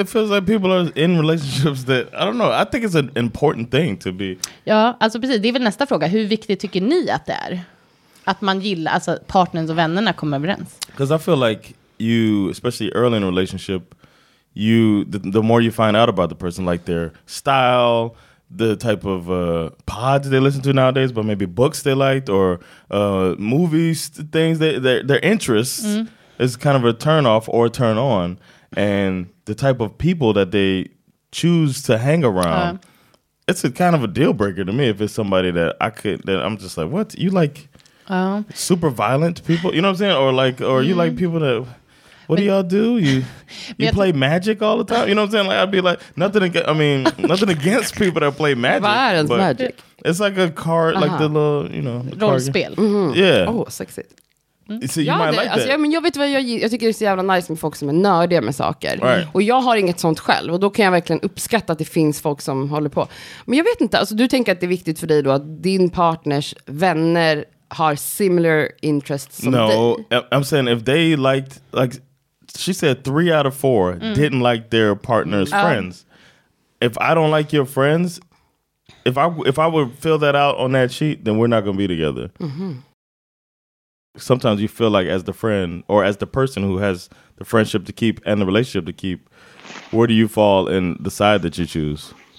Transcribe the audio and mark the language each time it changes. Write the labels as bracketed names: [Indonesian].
[English] It feels like people are in relationships that, I don't know, I think it's an important thing to be. [Swedish] Ja, alltså precis. Det är väl nästa fråga. Hur viktigt tycker ni att det är? Att man gillar, alltså partners och vännerna kommer överens. [English] Because I feel like you, especially early in a relationship, you, the more you find out about the person, like their style, the type of pods they listen to nowadays, but maybe books they liked or movies, things, their interests, mm, is kind of a turn off or a turn on. And the type of people that they choose to hang around, it's a kind of a deal breaker to me if it's somebody that I could, that I'm just like, what? You like super violent people? You know what I'm saying? Or you like people that... What do y'all do? You play magic all the time? You know what I'm saying? Like, I'd be like, nothing against people that play magic. [Swedish] Vad är ens magic? [English] It's like a card, like the little, you know. [Swedish] Rollspel. [English] Mm-hmm. Yeah. Oh, sexy. Mm. So you might like that. [Swedish] Ja, men jag vet vad jag tycker det är så jävla nice med folk som är nördiga med saker. [English] Right. [Swedish] Och jag har inget sånt själv. Och då kan jag verkligen uppskatta att det finns folk som håller på. Men jag vet inte, alltså du tänker att det är viktigt för dig då att din partners vänner har [English] similar interests [Swedish] som [English] no, [Swedish] dig. [English] I'm saying if they liked, like... She said 3 out of 4 didn't like their partner's friends. If I don't like your friends, if I would fill that out on that sheet, then we're not going to be together. Mm-hmm. Sometimes you feel like as the friend or as the person who has the friendship to keep and the relationship to keep, where do you fall in the side that you choose?